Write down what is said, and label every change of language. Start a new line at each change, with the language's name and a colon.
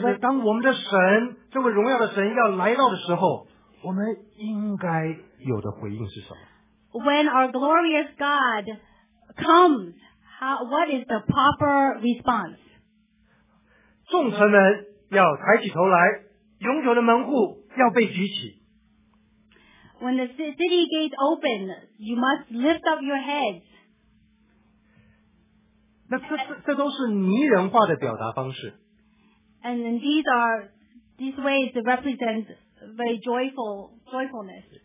Chinese: 就是当我们的神，这位荣耀的神要来到的时候，我们应该有的回应是什么？
English: When our glorious God comes, what is the proper response?
Chinese: 众臣们要抬起头来，永久的门户要被举起。
English: When the city gates open, you must lift up your heads.
Chinese: 那这都是拟人化的表达方式。
English: And these ways represent very joyfulness.